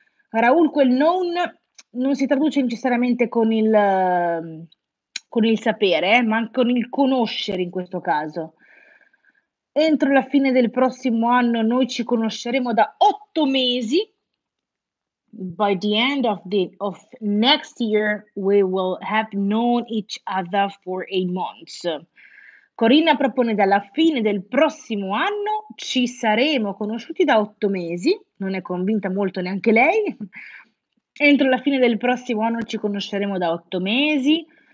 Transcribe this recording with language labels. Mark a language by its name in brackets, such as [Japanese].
[Italian] Raul, quel non si traduce necessariamente con il sapere, ma anche con il conoscere in questo caso. Entro la fine del prossimo anno noi ci conosceremo da 8 mesi. [English] By the end of next year we will have known each other for 8 months. [Italian] Corinna propone dalla fine del prossimo anno ci saremo conosciuti da 8 mesi. Non è convinta molto neanche lei. Entro la fine del prossimo anno ci conosceremo da 8 mesi.